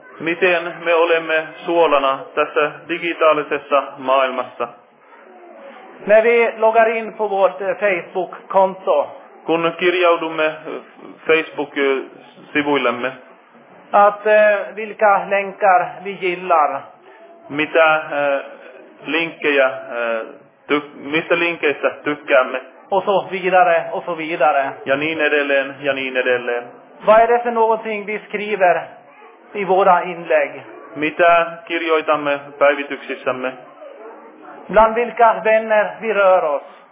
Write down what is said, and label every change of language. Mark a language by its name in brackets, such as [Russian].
[Finnish] Miten me olemme suolana tässä digitaalisessa maailmassa? [Swedish] När vi loggar in på vårt Facebook-konto. [Finnish] Kun kirjaudumme Facebook-sivuillemme. [Swedish] Att vilka länkar vi gillar. [Finnish] Mitä linkkejä, mistä linkkeistä tykkäämme. [Swedish] Och så vidare och så vidare. [Finnish] Ja niin edelleen, ja niin edelleen. [Swedish] Vad är det för någonting vi skriver i våra inlägg? [Finnish] Mitä kirjoitamme päivityksissämme? [Swedish] Bland vilka vänner vi rör oss?